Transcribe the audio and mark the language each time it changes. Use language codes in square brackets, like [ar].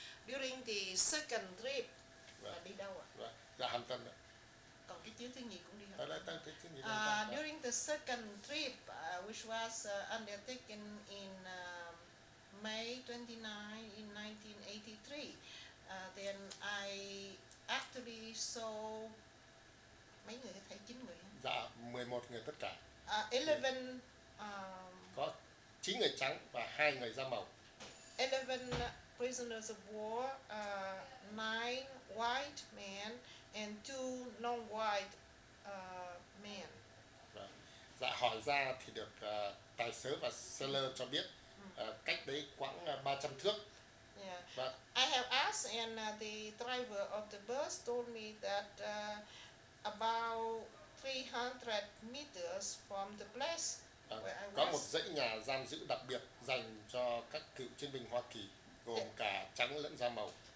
[en] During the second trip, during the second trip, which was undertaken in May 29, in 1983, then I actually saw [vi] mấy người, thấy 9 người. Dạ, 11 người tất cả. 11 có 9 người trắng và 2 người da màu. [en] 11 prisoners of war, 9 white men and 2 non-white men. [vi] Dạ, hỏi ra thì được tài xế và seller cho biết cách đấy khoảng 300 thước. [en] Yeah. But I have asked and the driver of the bus told me that about 300 meters from the place where I was. [vi] Có một dãy nhà giam giữ đặc biệt dành cho các cựu chiến binh Hoa Kỳ gồm cả trắng lẫn da màu.